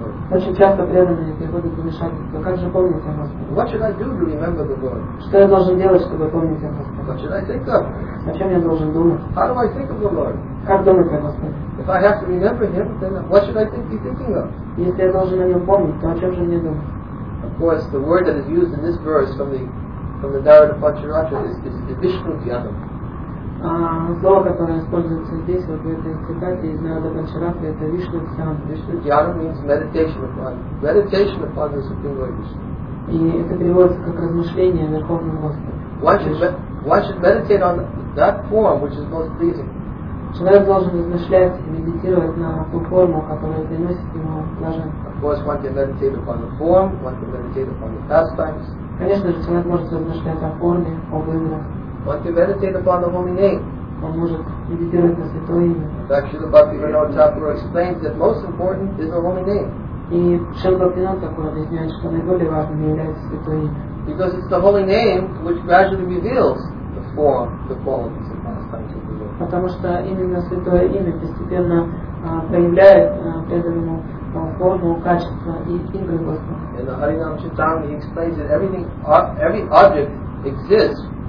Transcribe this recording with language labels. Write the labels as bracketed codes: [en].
[ru] Очень часто преданные приходят в помешательство. Как же помнить о Господе? Что я должен делать, чтобы помнить о Господе? О чем я должен думать? [en] How do I think of the Lord? [ru] Как думать о Господе? [en] If I have to remember him, then what should I think, be thinking of? [ru] Если я должен о нем помнить, то о чем же мне думать? [en] Of course, the word that is used in this verse from the Dharada Pacharatra is Vishnu Dhyanam. [ru] Слово, которое используется здесь, вот в этой цитате из Нарада Панчарата, это Вишну Дхьяна. [en] Вишну Дхьяна means meditation upon the Supreme Lord Vishnu. [ru] И это переводится как размышление о Верховном Господе. [en] One should meditate on that form which is most pleasing. [ru] Человек должен размышлять и медитировать на ту форму, которая приносит ему блаженство. [en] Of course, one can meditate upon the form, one can meditate upon the pastimes. [ru] Конечно же, человек может размышлять о форме, об играх. [en] One can meditate upon the holy name. [ru] Он может медитировать на святое имя. [en] In fact, Śrīla Bhaktivinoda Thakura explains that most important is the holy name. [ru] И Śrīla Bhaktivinoda Thakura объясняет, что наиболее важным является святое имя. [en] Because it's the holy name which gradually reveals the form, the qualities of pastimes of the Lord. [ru] Потому что именно святое имя постепенно проявляет преданному форму, качество и игры Господа. [en] In the Harinam Chaitanya, he explains that every object exists.